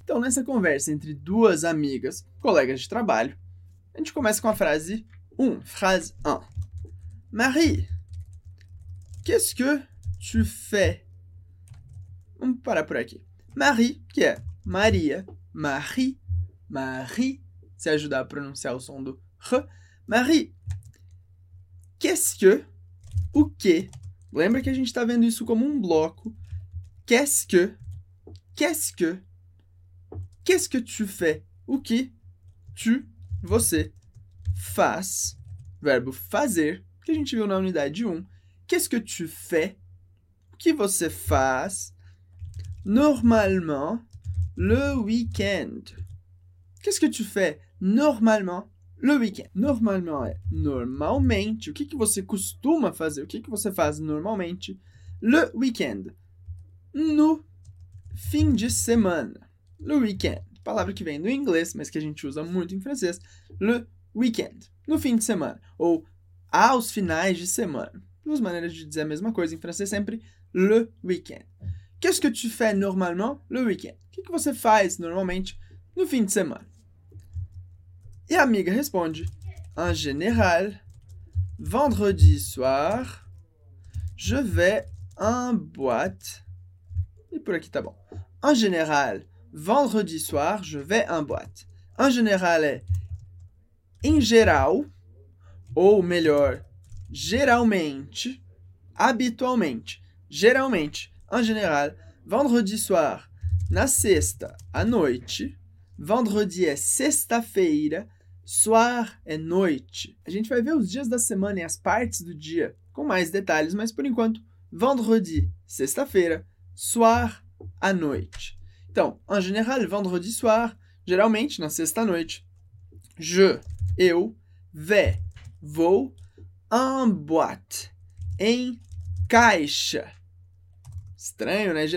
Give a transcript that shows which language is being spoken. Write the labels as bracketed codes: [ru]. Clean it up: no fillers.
[pt] Então, nessa conversa entre duas amigas, colegas de trabalho, a gente começa com a frase 1, frase 1. [fr] Marie, qu'est-ce que tu fais? [pt] Vamos parar por aqui. Marie, que é Maria, Marie, Marie, se ajudar a pronunciar o som do R. [fr] Marie, qu'est-ce que, [pt] o quê? Lembra que a gente está vendo isso como um bloco. [fr] Qu'est-ce que, qu'est-ce que, qu'est-ce que tu fais? [pt] O que tu, você, faz, verbo fazer, que a gente viu na unidade 1. [fr] Qu'est-ce que tu fais? [pt] O que você faz? [fr] Normalement, le week-end. Qu'est-ce que tu fais normalement le week-end? [pt] Normalement é normalmente. O que, que você costuma fazer? O que, que você faz normalmente le week-end? No fim de semana. Le week-end. Palavra que vem do inglês, mas que a gente usa muito em francês. Le week-end. No fim de semana. Ou aos finais de semana. Duas maneiras de dizer a mesma coisa em francês, sempre le week-end. [fr] Qu'est-ce que tu fais normalement le week-end? [pt] O que, que você faz normalmente no fim de semana? E a amiga responde: [fr] en général, vendredi soir, je vais en boîte. [pt] E por aqui tá bom. [fr] En général, vendredi soir, je vais en boîte. [pt] En général é em geral, ou melhor, geralmente, habitualmente. Geralmente, [fr] en général, vendredi soir, [pt] na sexta, à noite. Vendredi é sexta-feira, soir é noite. A gente vai ver os dias da semana e as partes do dia com mais detalhes, mas por enquanto, vendredi, sexta-feira, soir, à noite. Então, en général, vendredi soir, geralmente, na sexta-noite, je, eu, vais, vou, en boîte, em caixa. Estranho, né?